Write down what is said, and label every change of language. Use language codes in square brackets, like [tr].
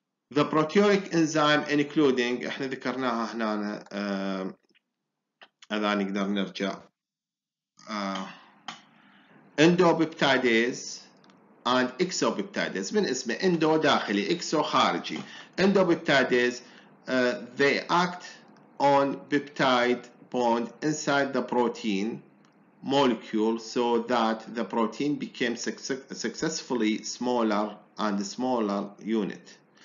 [en] The proteolytic enzyme including [ar] احنا ذكرناها هنا اذا نقدر نرجع [en] endopeptidase and exopeptidase. [ar] من اسمه اندو داخلي، اكسو خارجي. [en] Endopeptidases they act on peptide bond inside the protein molecule so that the protein became successfully smaller and smaller unit.